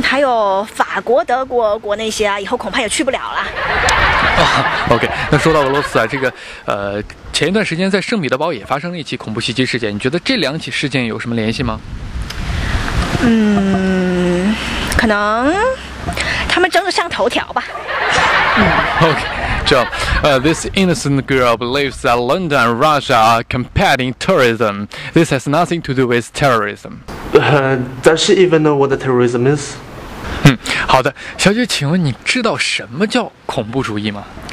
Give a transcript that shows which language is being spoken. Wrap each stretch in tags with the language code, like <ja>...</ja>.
<zh>还有法国、德国、国那些啊，以后恐怕也去不了了。啊， OK，那说到俄罗斯啊，这个前一段时间在圣彼得堡也发生了一起恐怖袭击事件，你觉得这两起事件有什么联系吗？嗯，可能他们争着上头条吧。 OK。</zh> <en>So, this innocent girl believes that London and Russia are combating terrorism. This has nothing to do with terrorism. Does she even know what the terrorism is?</en> <zh>好的，小姐，请问你知道什么叫恐怖主义吗？</zh>